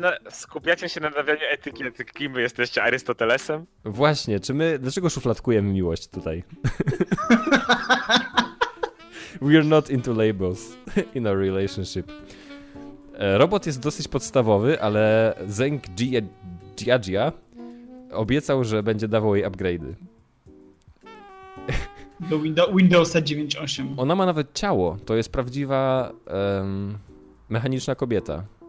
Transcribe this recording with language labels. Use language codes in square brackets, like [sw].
[pl] Skupiacie się na nadawianiu etykiet, kim wy jesteście, Arystotelesem? Właśnie, czy my, dlaczego szufladkujemy miłość tutaj? [en] We're not into labels in our relationship. [pl] Robot jest dosyć podstawowy, ale Zeng Jiajia obiecał, że będzie dawał jej upgrade'y. Do Windowsa 9.8. Ona ma nawet ciało, to jest prawdziwa... mechaniczna kobieta.